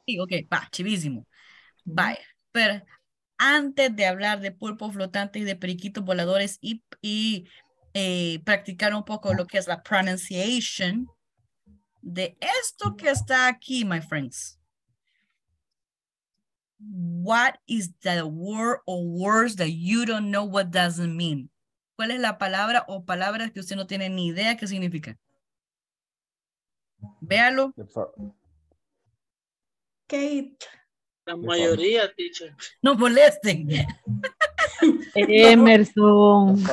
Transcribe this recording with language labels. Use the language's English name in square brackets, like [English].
[Spanish] Sí, ok, va, chivísimo. Bye. Pero antes de hablar de pulpos flotantes y de periquitos voladores y practicar un poco lo que es la pronunciation de esto que está aquí, [English] my friends. What is the word or words that you don't know what doesn't mean? [Spanish] ¿Cuál es la palabra o palabras que usted no tiene ni idea qué significa? Véalo. Kate. La mayoría, teacher. No molesten. Emerson.